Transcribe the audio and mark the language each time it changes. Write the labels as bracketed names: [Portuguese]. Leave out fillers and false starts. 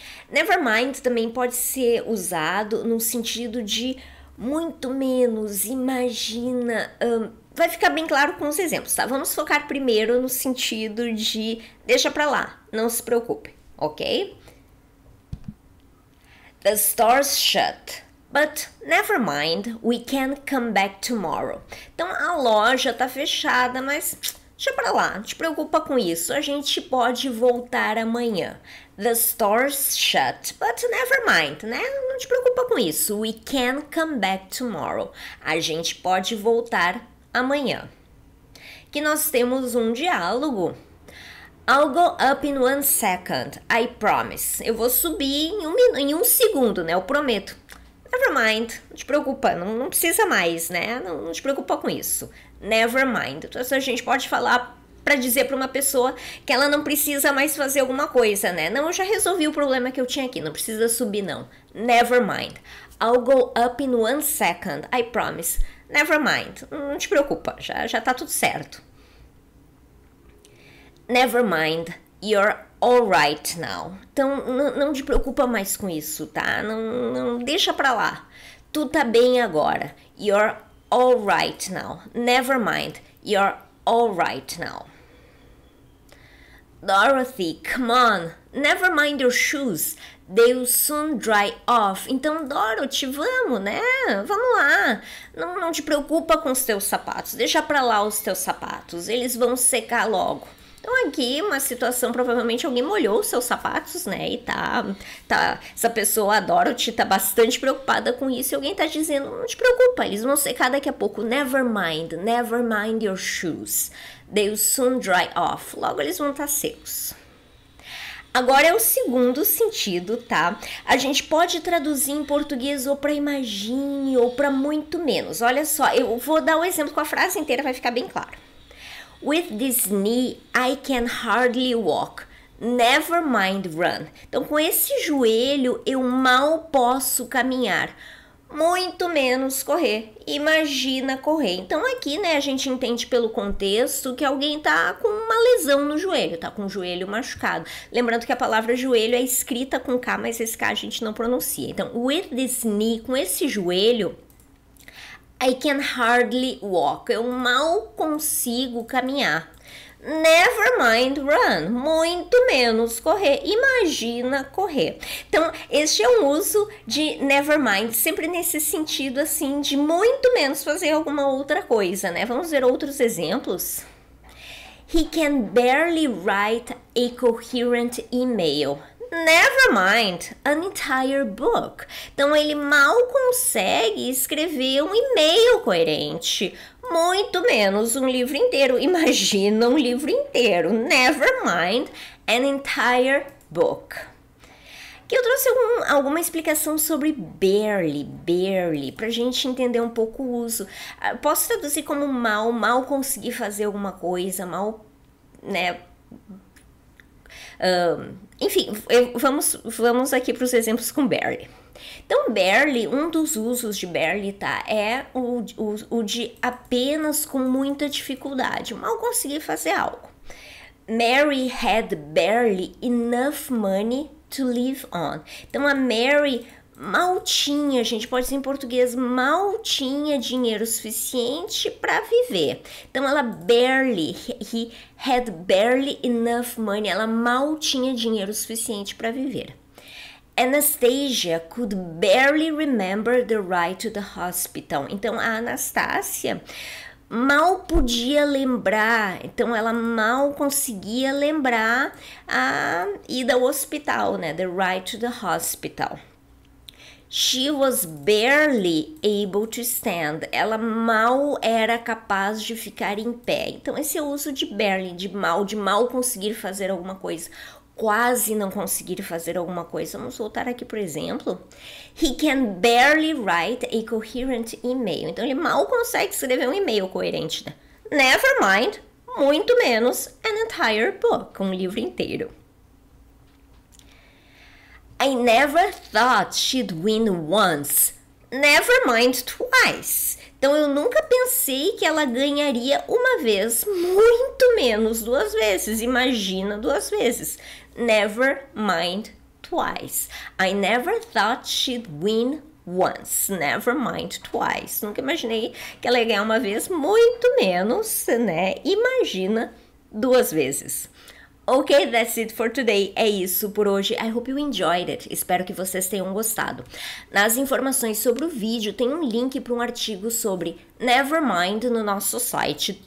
[Portuguese] Never mind também pode ser usado no sentido de muito menos, imagina. Vai ficar bem claro com os exemplos, tá? Vamos focar primeiro no sentido de deixa pra lá, não se preocupe, ok? [English] The store's shut, but never mind, we can come back tomorrow. [Portuguese] Então a loja tá fechada, mas deixa pra lá, não te preocupa com isso, a gente pode voltar amanhã. [English] The store's shut, but never mind, né? [Portuguese] Não te preocupa com isso. [English] We can come back tomorrow. [Portuguese] A gente pode voltar amanhã. Que nós temos um diálogo. [English] I'll go up in 1 second, I promise. [Portuguese] Eu vou subir em um segundo, né? Eu prometo. Never mind, não te preocupa, não precisa mais, né? Não te preocupa com isso. Never mind. Então, a gente pode falar para dizer para uma pessoa que ela não precisa mais fazer alguma coisa, né? Não, eu já resolvi o problema que eu tinha aqui, não precisa subir, não. [English] Never mind. I'll go up in 1 second, I promise. Never mind. [Portuguese] Não te preocupa, já tá tudo certo. [English] Never mind. You're all right now. [Portuguese] Então, não te preocupa mais com isso, tá? Não, deixa pra lá. Tu tá bem agora. [English] You're all right now. Never mind. You're all right now. Dorothy, come on, never mind your shoes, they'll soon dry off. [Portuguese] Então, Dorothy, vamos, né? Vamos lá. Não te preocupa com os teus sapatos, deixa pra lá os teus sapatos, eles vão secar logo. Então, aqui, uma situação, provavelmente alguém molhou os seus sapatos, né? E tá, essa pessoa, a Dorothy, tá bastante preocupada com isso, e alguém tá dizendo, não te preocupa, eles vão secar daqui a pouco. [English] Never mind your shoes. They'll soon dry off. [Portuguese] Logo eles vão estar secos. Agora é o segundo sentido, tá? A gente pode traduzir em português ou para imagine ou para muito menos. Olha só, eu vou dar um exemplo com a frase inteira, vai ficar bem claro. [English] With this knee, I can hardly walk. Never mind run. [Portuguese] Então, com esse joelho, eu mal posso caminhar. Muito menos correr. Imagina correr. Então aqui, né, a gente entende pelo contexto que alguém tá com uma lesão no joelho, tá com o joelho machucado. Lembrando que a palavra joelho é escrita com K, mas esse K a gente não pronuncia. Então, [English] with this knee, [Portuguese] com esse joelho, [English] I can hardly walk. [Portuguese] Eu mal consigo caminhar. [English] Never mind run. [Portuguese] Muito menos correr. Imagina correr. Então, este é um uso de never mind, sempre nesse sentido assim, de muito menos fazer alguma outra coisa, né? Vamos ver outros exemplos. [English] He can barely write a coherent email. Never mind, an entire book. [Portuguese] Então ele mal consegue escrever um e-mail coerente. Muito menos um livro inteiro. Imagina um livro inteiro. [English] Never mind, an entire book. [Portuguese] Aqui eu trouxe alguma explicação sobre barely, para a gente entender um pouco o uso. Posso traduzir como mal conseguir fazer alguma coisa, mal, né? Enfim, vamos aqui para os exemplos com barely. Então, barely, um dos usos de barely, tá? É o de apenas com muita dificuldade, mal consegui fazer algo. [English] Mary had barely enough money to live on. [Portuguese] Então, a Mary mal tinha, a gente pode dizer em português, mal tinha dinheiro suficiente para viver. Então ela barely, [English] he had barely enough money, [Portuguese] ela mal tinha dinheiro suficiente para viver. [English] Anastasia could barely remember the ride to the hospital. [Portuguese] Então a Anastácia mal podia lembrar, então ela mal conseguia lembrar a ida ao hospital, né? [English] The ride to the hospital. She was barely able to stand. [Portuguese] Ela mal era capaz de ficar em pé. Então, esse é o uso de barely, de mal conseguir fazer alguma coisa. quase não conseguir fazer alguma coisa. Vamos voltar aqui, por exemplo. [English] He can barely write a coherent email. [Portuguese] Então, ele mal consegue escrever um e-mail coerente, né? Never mind, muito menos [English] an entire book, [Portuguese] um livro inteiro. [English] I never thought she'd win once. Never mind twice. [Portuguese] Então eu nunca pensei que ela ganharia uma vez, muito menos duas vezes. Imagina duas vezes. [English] Never mind twice. I never thought she'd win once. Never mind twice. [Portuguese] Nunca imaginei que ela ia ganhar uma vez, muito menos, né? Imagina duas vezes. [English] Ok, that's it for today. [Portuguese] É isso por hoje. [English] I hope you enjoyed it. [Portuguese] Espero que vocês tenham gostado. Nas informações sobre o vídeo, tem um link para um artigo sobre Nevermind no nosso site.